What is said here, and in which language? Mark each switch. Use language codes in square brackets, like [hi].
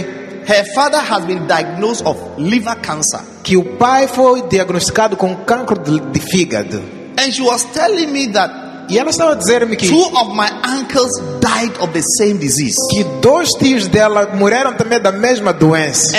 [en] Her father has been diagnosed of liver cancer. [pt] Que o pai foi diagnosticado com câncer de fígado. [en] And she was telling me that. [pt] E ela estava a dizer-me que [en] two of my uncles died of the same disease. [pt] Que dois tios dela morreram também da mesma doença.